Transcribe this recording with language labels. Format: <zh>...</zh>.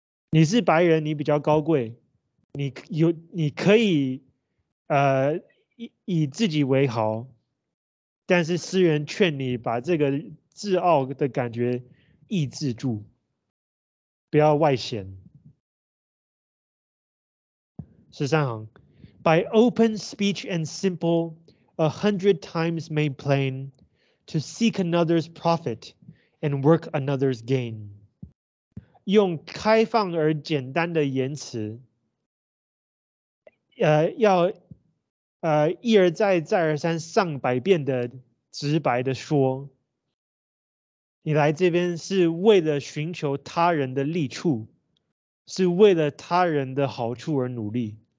<zh>你是白人，你比较高贵，你可以，以自己为豪，但是诗人劝你把这个自傲的感觉抑制住，不要外显。十三行</zh> <en>，By open speech and simple, a hundred times made plain, to seek another's profit, and work another's gain.</en> <zh>用开放而简单的言辞，要一而再再而三上百遍的直白的说，你来这边是为了寻求他人的利处，是为了他人的好处而努力。</zh>